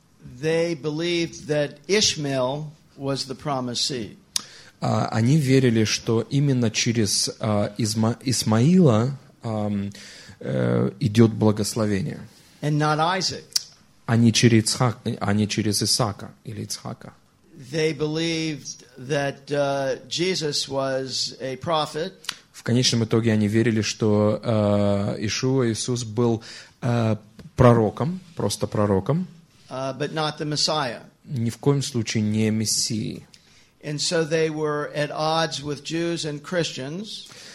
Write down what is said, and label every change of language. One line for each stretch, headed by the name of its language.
English: They believed that Ishmael was the promised seed.
Russian: Они верили, что именно через Исмаила идет благословение.
English: And not Isaac.
Russian: А не через Исаака или Ицхака.
English: They believed that Jesus was a prophet.
Russian: В конечном итоге они верили, что Иисус был пророком, просто пророком.
English: But not the Messiah.
Russian: Ни в коем случае не Мессией.
English: And so they were at odds with Jews and Christians.